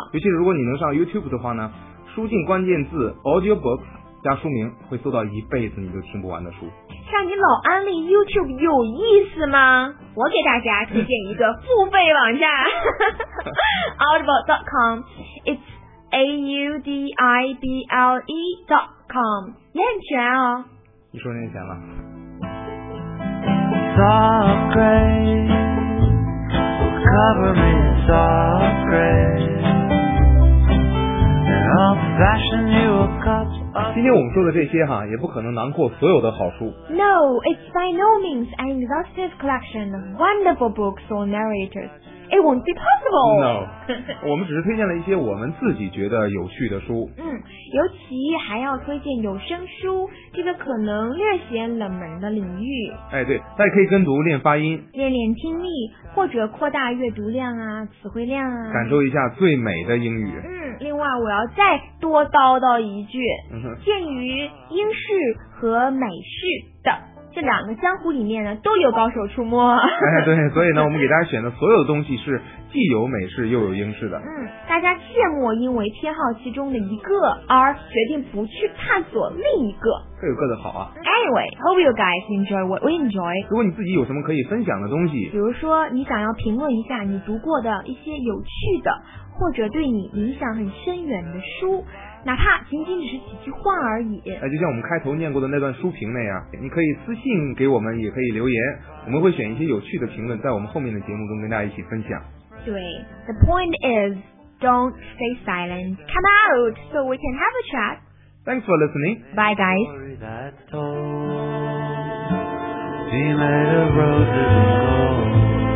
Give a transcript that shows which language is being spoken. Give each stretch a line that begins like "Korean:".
Chinese: 尤其是如果你能上 YouTube 的话呢，输进关键字 audiobooks 加书名，会搜到一辈子你都听不完的书。像你老安利 YouTube 有意思吗？我给大家推荐一个付费网站audible.com AUDIBLE.com 也很全哦。你说那些钱了。
English: Soft gray will cover me in soft gray. And I'll fashion you a cup of.
Chinese: 今天我们说的这些哈，也不可能囊括所有的好书。
English: No, it's by no means an exhaustive collection of wonderful books or narrators. It won't be possible.
Chinese: No, 我们只是推荐了一些我们自己觉得有趣的书。嗯，尤其还要推荐有声书，这个可能略显冷门的领域。哎，对，大家可以跟读练发音，练练听力，或者扩大阅读量啊，词汇量啊，感受一下最美的英语。嗯，另外我要再多叨叨一句，鉴于英式和美式的。这两个江湖里面呢都有高手出没。哎，对，所以呢我们给大家选的所有的东西是既有美式又有英式的。嗯，大家切莫因为偏好其中的一个而决定不去探索另一个，各有各的好啊。
English: Anyway, hope you guys enjoy what we enjoy.
Chinese: 如果你自己有什么可以分享的东西，比如说你想要评论一下你读过的一些有趣的或者对你影响很深远的书，哪怕仅仅只是几句话而已，就像我们开头念过的那段书评那样，你可以私信给我们，也可以留言，我们会选一些有趣的评论在我们后面的节目中跟大家一起分享。
English: 对， The point is don't stay silent, come out so we can have a chat. Thanks for listening. Bye guys. Story that's told, be made of roses and gold.